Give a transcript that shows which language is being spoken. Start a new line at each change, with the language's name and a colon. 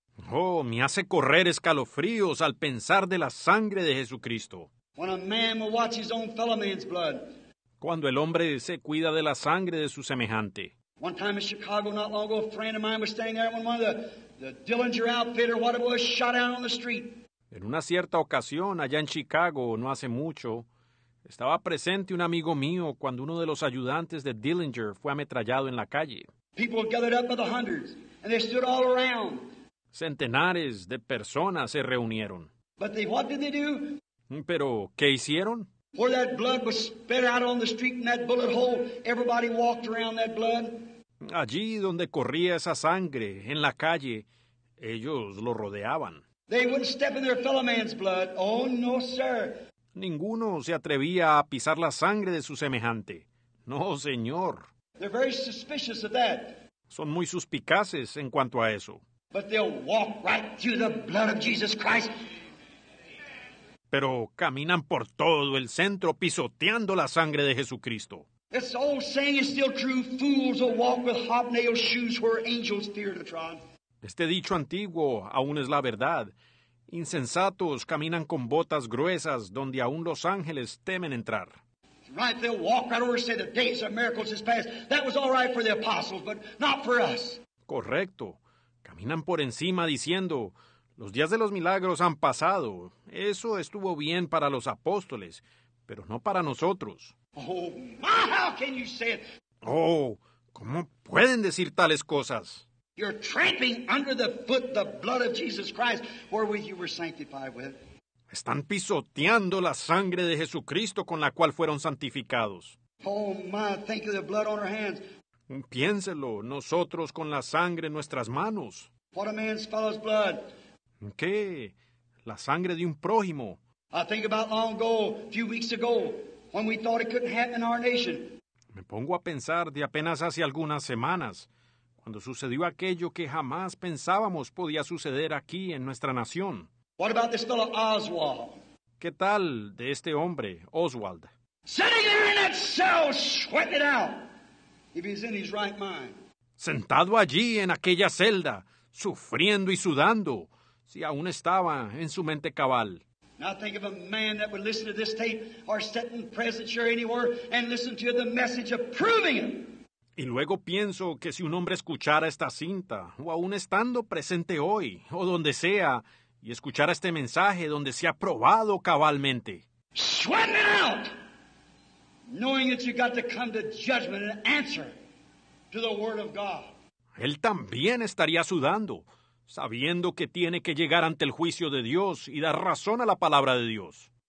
Spanish: Oh, me hace correr escalofríos al pensar de la sangre de Jesucristo.
English: When a man will watch his own fellow man's blood.
Spanish: Cuando el hombre se cuida de la sangre de su semejante.
English: One time in Chicago, not long ago, a friend of mine was staying there when one of the Dillinger outfit or whatever was shot out on the street.
Spanish: En una cierta ocasión, allá en Chicago, no hace mucho, estaba presente un amigo mío cuando uno de los ayudantes de Dillinger fue ametrallado en la calle.
English: People gathered up by the hundreds, and they stood all around.
Spanish: Centenares de personas se reunieron.
English: But they, what did they do?
Spanish: ¿Pero qué hicieron?
English: Before that blood was spit out on the street in that bullet hole, everybody walked around that blood. Allí donde corría esa sangre, en la calle, ellos lo rodeaban. They wouldn't step in their fellow man's blood. Oh, no, sir.
Spanish: Ninguno se atrevía a pisar la sangre de su semejante. No, señor.
English: They're very suspicious of that.
Spanish: Son muy suspicaces en cuanto a eso.
English: But they'll walk right through the blood of Jesus Christ.
Spanish: Pero caminan por todo el centro pisoteando la sangre de Jesucristo.
English: This old saying is still true. Fools will walk with hobnailed shoes where angels fear to trod.
Spanish: Este dicho antiguo aún es la verdad. Insensatos caminan con botas gruesas donde aún los ángeles temen entrar.
English: Right, they'll walk right over and say the days of miracles is past. That was all right for the apostles, but not for us.
Spanish: Correcto. Caminan por encima diciendo, los días de los milagros han pasado. Eso estuvo bien para los apóstoles, pero no para nosotros.
English: Oh, my, how can you say it?
Spanish: Oh, ¿cómo pueden decir tales cosas?
English: You're tramping under the foot the blood of Jesus Christ, wherewith you were sanctified with.
Spanish: Están pisoteando la sangre de Jesucristo con la cual fueron santificados.
English: Oh my, think of the blood on our hands.
Spanish: Piénselo, nosotros con la sangre en nuestras manos.
English: What a man's fellow's blood.
Spanish: ¿Qué? La sangre de un prójimo.
English: I think about long ago, a few weeks ago, when we thought it couldn't happen in our nation.
Spanish: Me pongo a pensar de apenas hace algunas semanas, cuando sucedió aquello que jamás pensábamos podía suceder aquí en nuestra nación.
English: What about this fellow Oswald?
Spanish: ¿Qué tal de este hombre, Oswald?
English: Sitting there in that cell, sweating it out, if he's in his right mind.
Spanish: Sentado allí en aquella celda, sufriendo y sudando, si aún estaba en su mente cabal.
English: Now think of a man that would listen to this tape or sit in presence or anywhere and listen to the message of proving it.
Spanish: Y luego pienso que si un hombre escuchara esta cinta, o aún estando presente hoy, o donde sea, y escuchara este mensaje donde se ha probado cabalmente.
English: Sweating it out, knowing that you got to come to judgment and answer to the word of God.
Spanish: Él también estaría sudando, sabiendo que tiene que llegar ante el juicio de Dios y dar razón a la palabra de Dios.